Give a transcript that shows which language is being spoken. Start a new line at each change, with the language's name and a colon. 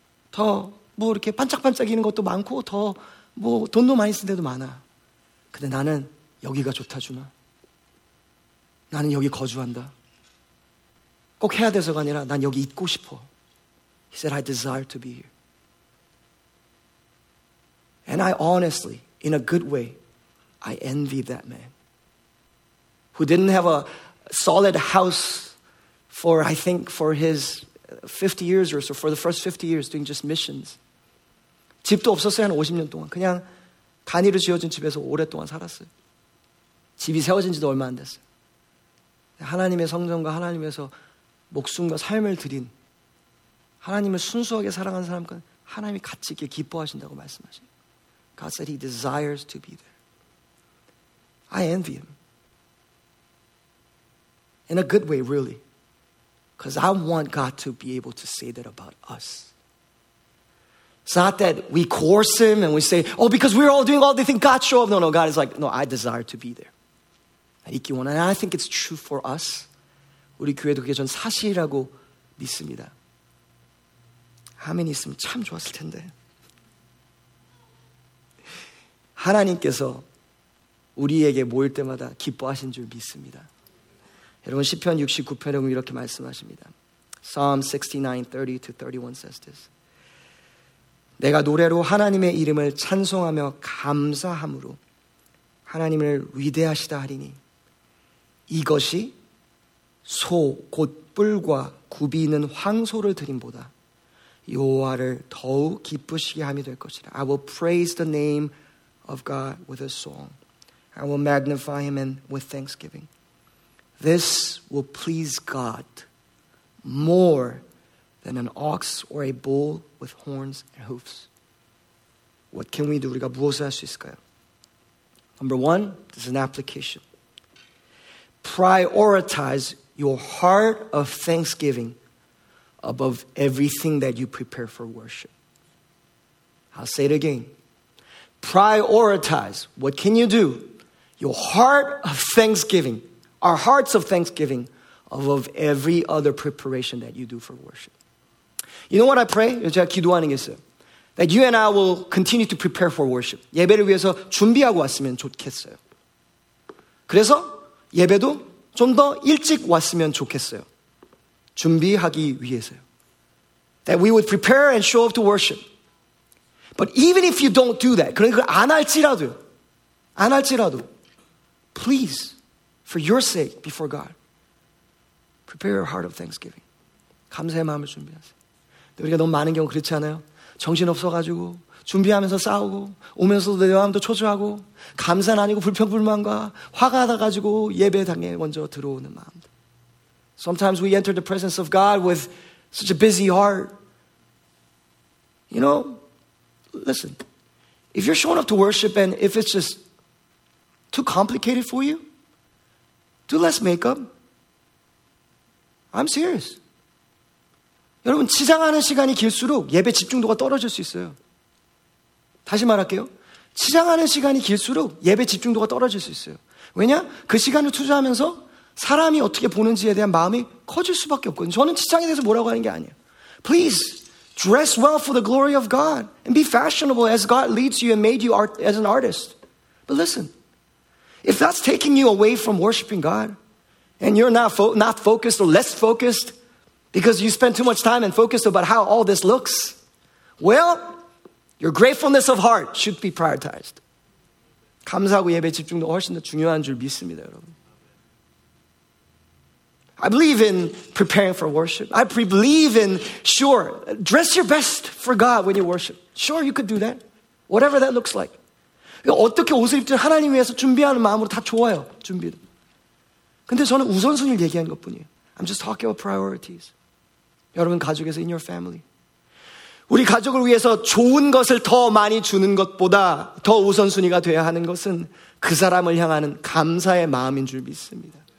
Korean: 더 뭐 이렇게 반짝반짝이는 것도 많고 더 뭐 돈도 많이 쓴 데도 많아. 근데 나는 여기가 좋다 주나. 나는 여기 거주한다. 꼭 해야 돼서가 아니라 난 여기 있고 싶어.
English: He said, I desire to be here. And I honestly, in a good way, I envy that man who didn't have a solid house for, I think, for his 50 years or so, for the first 50 years, doing just missions.
Korean: 집도 없었어요, 한 50년 동안. 그냥 단위로 지어진 집에서 오랫동안 살았어요. 집이 세워진 지도 얼마 안 됐어요. 하나님의 성전과 하나님에서 목숨과 삶을 드린 하나님을 순수하게 사랑한 사람과 하나님이 같이 있게 기뻐하신다고 말씀하세요.
English: God said he desires to be there. I envy him. In a good way, really. Because I want God to be able to say that about us. It's not that we coerce him and we say, oh, because we're all doing all the things, God show up. No, no, God is like, no, I desire to be there. And I think it's true for us.
Korean: 우리 교회도 그게 전 사실이라고 믿습니다. 아멘 있으면 참 좋았을 텐데. 하나님께서 우리에게 모일 때마다 기뻐하신 줄 믿습니다. 여러분 시편 69편에 이렇게 말씀하십니다.
English: Psalm 69:30-31 says this.
Korean: 내가 노래로 하나님의 이름을 찬송하며 감사함으로 하나님을 위대하시다 하리니 이것이 소 곧 뿔과 굽이 있는 황소를 드림보다 여호와를 더욱 기쁘시게 함이 될 것이라.
English: I will praise the name of God with a song. I will magnify him and with thanksgiving. This will please God more than an ox or a bull with horns and hoofs. What can we do?
Korean: 우리가 무엇을 할 수 있을까요?
English: Number one, this is an application. Prioritize your heart of thanksgiving above everything that you prepare for worship. I'll say it again. Prioritize, what can you do? Your heart of thanksgiving, our hearts of thanksgiving above every other preparation that you do for worship. You know what I pray?
Korean: 제가 기도하는 게 있어요.
English: that you and I will continue to prepare for worship.
Korean: 예배를 위해서 준비하고 왔으면 좋겠어요. 그래서 예배도 좀 더 일찍 왔으면 좋겠어요. 준비하기 위해서요.
English: That we would prepare and show up to worship. But even if you don't do that,
Korean: 그런 걸 안 할지라도요. 안 할지라도.
English: Please, for your sake before God, prepare your heart of thanksgiving.
Korean: 감사의 마음을 준비하세요. 우리가 너무 많은 경우 그렇지 않아요? 정신 없어가지고 준비하면서 싸우고 오면서도 내 마음도 초조하고 감사는 아니고 불평불만과 화가 나가지고 예배 당에 먼저 들어오는 마음도.
English: Sometimes we enter the presence of God with such a busy heart. You know, listen, if you're showing up to worship and if it's just too complicated for you, do less makeup. I'm serious.
Korean: 여러분, 치장하는 시간이 길수록 예배 집중도가 떨어질 수 있어요. 다시 말할게요. 치장하는 시간이 길수록 예배 집중도가 떨어질 수 있어요. 왜냐? 그 시간을 투자하면서 사람이 어떻게 보는지에 대한 마음이 커질 수밖에 없거든요. 저는 치장에 대해서 뭐라고 하는 게 아니에요.
English: Please dress well for the glory of God and be fashionable as God leads you and made you art, as an artist. But listen, if that's taking you away from worshiping God and you're not focused or less focused because you spend too much time and focused about how all this looks, well, your gratefulness of heart should be prioritized.
Korean: 감사하고 예배 집중도 훨씬 더 중요한 줄 믿습니다, 여러분.
English: I believe in preparing for worship. I believe in, sure, dress your best for God when you worship. Sure, you could do that. Whatever that looks like.
Korean: 어떻게 옷을 입든 하나님 위해서 준비하는 마음으로 다 좋아요, 준비도. 근데 저는 우선순위를 얘기하는 것뿐이에요.
English: I'm just talking about priorities.
Korean: 여러분 가족에서
English: in your family.
Korean: 우리 가족을 위해서 좋은 것을 더 많이 주는 것보다 더 우선순위가 돼야 하는 것은 그 사람을 향하는 감사의 마음인 줄 믿습니다.